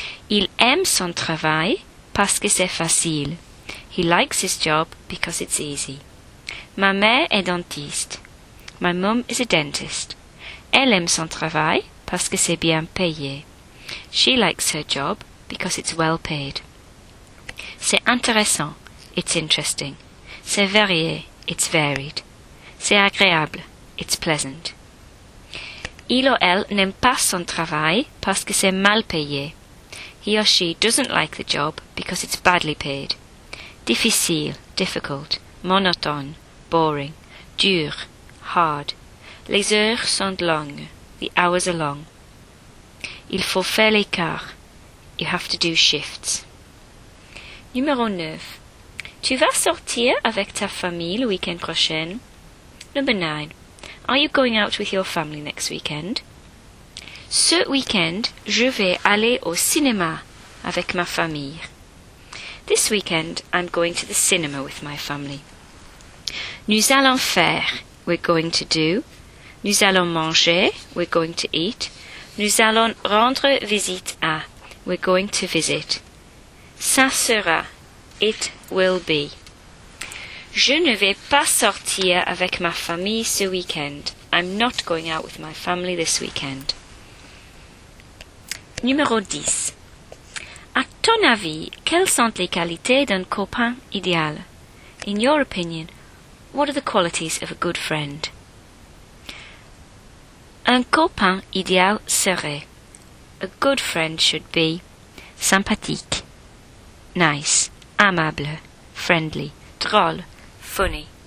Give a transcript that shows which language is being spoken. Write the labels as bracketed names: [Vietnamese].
[French] Il aime son travail parce que c'est facile. [English] He likes his job because it's easy. [French] Ma mère est dentiste. [English] My mom is a dentist. [French] Elle aime son travail parce que c'est bien payé. [English] She likes her job because it's well paid. [French] C'est intéressant. [English] It's interesting. [French] C'est varié. [English] It's varied. [French] C'est agréable. [English] It's pleasant. [French] Il ou elle n'aime pas son travail parce que c'est mal payé. [English] He or she doesn't like the job because it's badly paid. [French] Difficile, [English] difficult, [French] monotone, [English] boring, [French] dur, [English] hard. [French] Les heures sont longues, [English] the hours are long. [French] Il faut faire l'écart. [English] You have to do shifts. [French] Numéro 9. Tu vas sortir avec ta famille le week-end prochain? [English] Number 9. Are you going out with your family next weekend? [French] Ce week-end, je vais aller au cinéma avec ma famille. [English] This weekend, I'm going to the cinema with my family. [French] Nous allons faire, [English] we're going to do. [French] Nous allons manger, [English] we're going to eat. [French] Nous allons rendre visite à, [English] we're going to visit. [French] Ça sera, [English] it will be. [French] Je ne vais pas sortir avec ma famille ce week-end. [English] I'm not going out with my family this weekend. [French] Numéro 10. À ton avis, quelles sont les qualités d'un copain idéal? [English] In your opinion, what are the qualities of a good friend? [French] Un copain idéal serait, [English] a good friend should be, [French] sympathique, [English] nice, [French] amable, [English] friendly, [French] drôle, [English] funny,